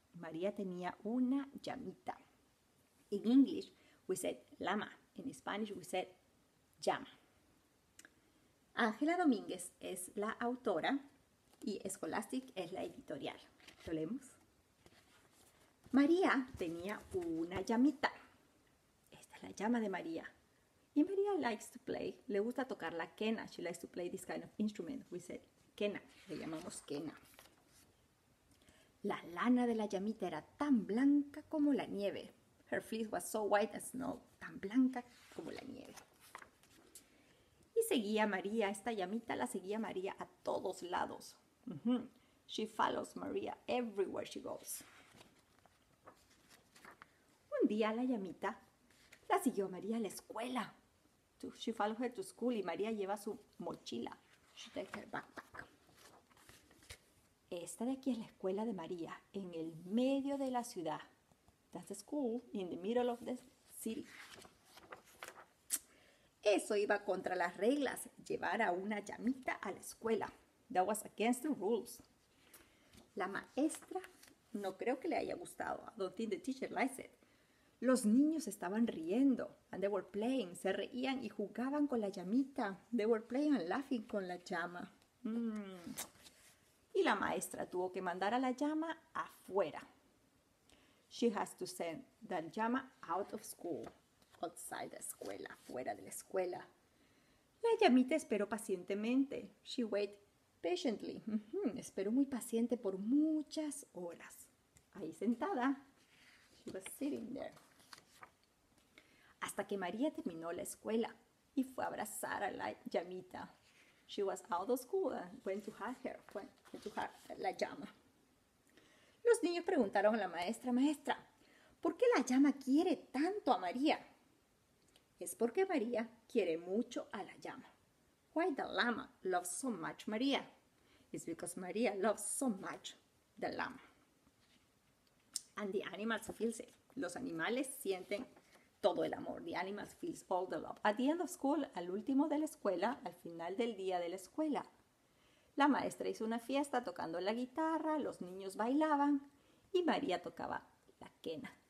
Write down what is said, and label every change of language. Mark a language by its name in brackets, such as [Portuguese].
[Spanish] María tenía una llamita. [English] In English, we said llama. In Spanish, we said llama. [Spanish] Ángela Domínguez es la autora y Scholastic es la editorial. ¿Lo leemos? María tenía una llamita. Esta es la llama de María. Y María [English] likes to play. [Spanish] Le gusta tocar la quena. [English] She likes to play this kind of instrument. We said quena. [Spanish] Le llamamos quena. La lana de la llamita era tan blanca como la nieve. [English] Her fleece was so white as snow. [Spanish] Tan blanca como la nieve. Y seguía María. Esta llamita la seguía María a todos lados. [English] She follows María everywhere she goes. [Spanish] Un día la llamita la siguió a María a la escuela. [English] She follows her to school [Spanish] y María lleva su mochila. [English] She takes her backpack. [Spanish] Esta de aquí es la escuela de María, en el medio de la ciudad. [English] That's the school in the middle of the city. [Spanish] Eso iba contra las reglas, llevar a una llamita a la escuela. [English] That was against the rules. [Spanish] La maestra no creo que le haya gustado. [English] I don't think the teacher likes it. [Spanish] Los niños estaban riendo, [English] and they were playing, [Spanish] se reían y jugaban con la llamita. [English] They were playing and laughing [Spanish] con la llama. Y la maestra tuvo que mandar a la llama afuera. [English] She has to send the llama out of school, outside the [Spanish] escuela, fuera de la escuela. La llamita esperó pacientemente. [English] She waited patiently. [Spanish] Esperó muy paciente por muchas horas. Ahí sentada. [English] She was sitting there. [Spanish] Hasta que María terminó la escuela y fue a abrazar a la llamita. [English] She was out of school and went to hug her, went to hug [Spanish] la llama. Los niños preguntaron a la maestra: Maestra, ¿por qué la llama quiere tanto a María? Es porque María quiere mucho a la llama. [English] Why the llama loves so much María? It's because María loves so much the llama. And the animals feel it. [Spanish] Los animales sienten todo el amor. [English] The animals feels all the love. [Spanish] At the end of school, al último de la escuela, al final del día de la escuela, la maestra hizo una fiesta tocando la guitarra, los niños bailaban y María tocaba la quena.